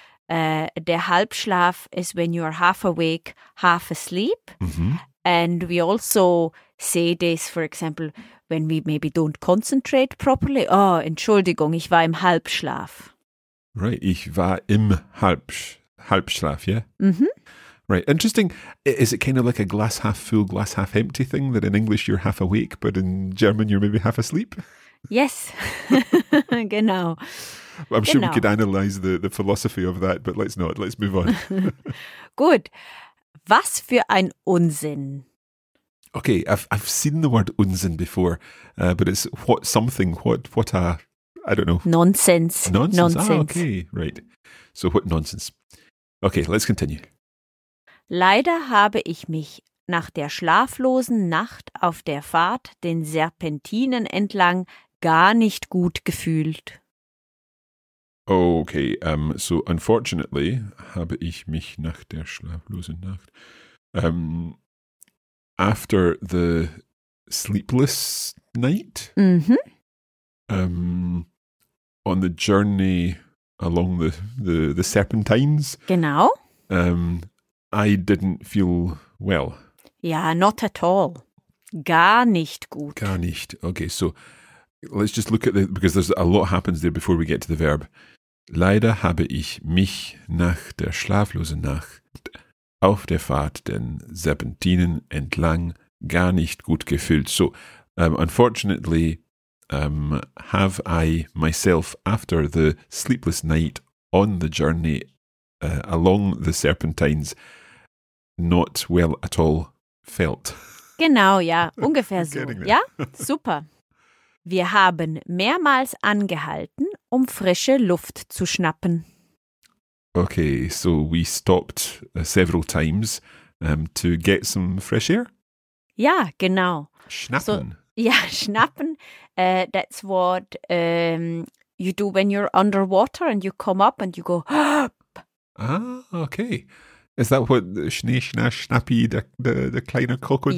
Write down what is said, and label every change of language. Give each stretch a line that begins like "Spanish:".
English: Der Halbschlaf is when you are half awake, half asleep. Mm-hmm. And we also say this, for example, when we maybe don't concentrate properly.
German: Oh, Entschuldigung, ich war im Halbschlaf.
English: Right,
German: ich war im Halbschlaf,
English: yeah? Mm-hmm. Right, interesting. Is it kind of like a glass half full, glass half empty thing that in English you're half awake, but in German you're maybe half asleep? Yes,
German: genau.
English: I'm sure we could analyze the philosophy of that, but let's not. Let's move on. Good.
German: Was für ein Unsinn.
English: Okay, I've seen the word Unsinn before, but it's what something, what a, I don't know. Nonsense. Nonsense. Ah, okay, right. So what nonsense. Okay, let's continue.
German: Leider habe ich mich nach der schlaflosen Nacht auf der Fahrt den Serpentinen entlang gar nicht gut gefühlt.
English: Okay, so unfortunately
German: habe ich mich nach der schlaflosen Nacht...
English: after the sleepless night, mm-hmm. On the journey along the serpentines,
German: genau,
English: I didn't feel well. Yeah, not at all.
German: Gar nicht gut. Gar nicht.
English: Okay, so let's just look at the, because there's a lot happens there before we get to the verb.
German: Leider habe ich mich nach der schlaflosen Nacht auf der Fahrt den Serpentinen entlang gar nicht gut gefühlt.
English: So, unfortunately, have I myself, after the sleepless night on the journey along the Serpentines, not well at all felt.
German: Genau, ja, ungefähr so. Ja, super. Wir haben mehrmals angehalten, um frische Luft zu schnappen.
English: Okay, so we stopped several times to get some fresh air?
German: Ja, genau. Schnappen. So, ja, schnappen.
English: That's what you do when you're underwater and you come up and you go... Ah, okay. Is that what Schnee, Schna, Schnappi, the kleine Krokodil,